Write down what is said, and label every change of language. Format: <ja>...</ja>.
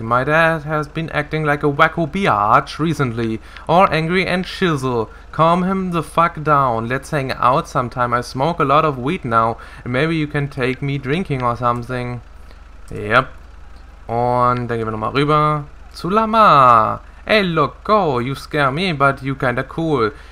<en>My dad has been acting like a wacko biatch recently. All angry and shizzle. Calm him the fuck down. Let's hang out sometime. I smoke a lot of weed now. And maybe you can take me drinking or something. Yep.</en> <de>Und dann gehen wir nochmal rüber zu Lama.</de> <en>Hey loco, you scare me, but you kinda cool.</en>